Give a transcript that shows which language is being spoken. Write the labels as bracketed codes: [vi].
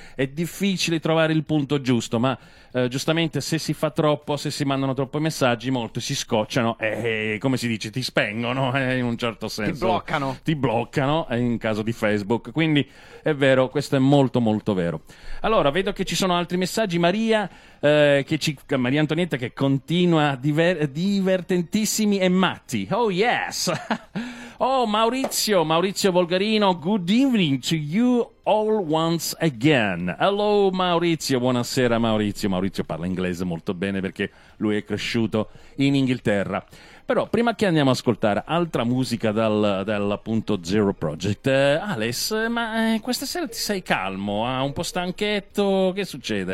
[it] È difficile trovare il punto giusto, ma giustamente se si fa troppo, se si mandano troppi messaggi, molti si scocciano e, come si dice, ti spengono in un certo senso, ti bloccano in caso di Facebook. Quindi è vero, questo è molto molto vero. Allora, vedo che ci sono altri messaggi. Maria Antonietta, che continua, divertentissimi e matti. [en] Oh yes. Oh, Maurizio Volgarino, good evening to you all once again. [it] Hello Maurizio, buonasera Maurizio. Maurizio parla inglese molto bene perché lui è cresciuto in Inghilterra. Però prima che andiamo ad ascoltare altra musica dal appunto Zero Project, Alice, ma questa sera ti sei calmo, un po' stanchetto, che succede?